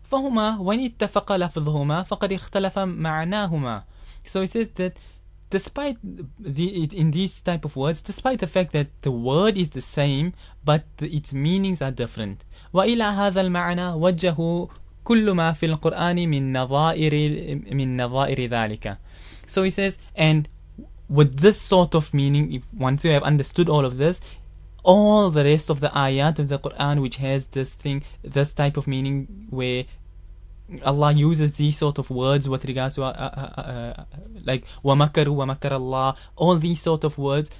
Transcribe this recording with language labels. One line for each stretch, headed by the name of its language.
Arabic: لفظهما وإن اتفق لفظهما فقد اختلف معناهما.
English: So he says that despite the in these type of words, despite the fact that the word is the same, but its meanings are different.
Arabic: وإلى هذا المعنى وجه كل ما في القرآن من نظائر ذلك.
English: So he says, and with this sort of meaning, once you have understood all of this, all the rest of the ayat of the Quran, which has this thing, this type of meaning, where Allah uses these sort of words with regards to, like wamakaru wamakar Allah, all these sort of words.